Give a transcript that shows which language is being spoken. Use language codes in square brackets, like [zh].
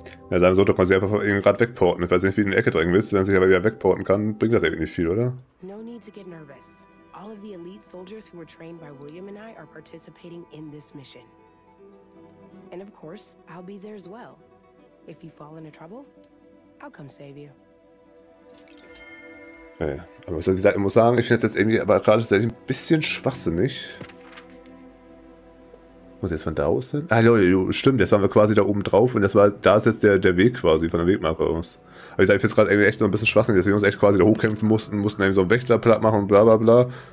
[de] Ja, sein Sohn, da kann sie einfach irgendwie gerade wegporten. Ich weiß nicht, wie du in die Ecke drängen willst. Wenn sie sich aber wieder wegporten kann, bringt das eigentlich nicht viel, oder? [en] No need to get nervous. All of the elite soldiers who were trained by William and I are participating in this mission. And of course, I'll be there as well. If you fall into trouble, I'll come save you. [de] Ja, aber wie gesagt, ich muss sagen, ich finde es jetzt irgendwie aber gerade tatsächlich ein bisschen schwachsinnig. Muss jetzt von da aus hin? Ah, jo, stimmt, jetzt waren wir quasi da oben drauf und das war, da ist jetzt der Weg quasi von der Wegmarke aus. Aber ich sage, ich finde es gerade irgendwie echt so ein bisschen schwachsinnig, dass wir uns echt quasi da hochkämpfen mussten irgendwie so einen Wächter platt machen und bla bla bla.